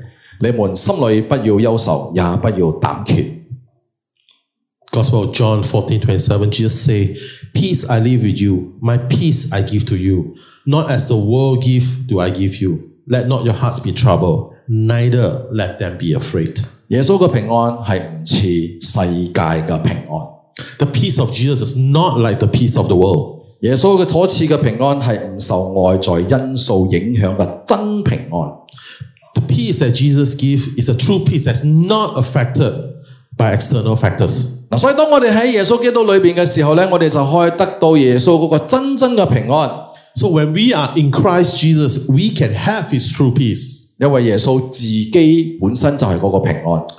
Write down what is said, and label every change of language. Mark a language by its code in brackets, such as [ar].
[zh] 耶稣在约翰福音14章27节，他自己讲：“我留下平安给你们，我把我的平安赐给你们，我所赐给你们的不像世人所赐的，你们心里不要忧愁，也不要胆怯。” [en] Gospel of John 14:27, Jesus say, "Peace I leave with you, my peace I give to you. Not as the world gives do I give you. Let not your hearts be troubled, neither let them be afraid." [zh] 耶稣的平安是不像世界的平安。 [en] The peace of Jesus is not like the peace of the world. [zh] 耶稣所赐的平安是不受外在因素影响的真平安。 [en] The peace that Jesus gives is a true peace that's not affected by external factors. [zh] 所以当我们在耶稣基督里面的时候，我们就可以得到耶稣那个真正的平安。 [en] So when we are in Christ Jesus, we can have His true peace. [zh] 因为耶稣自己本身就是那个平安。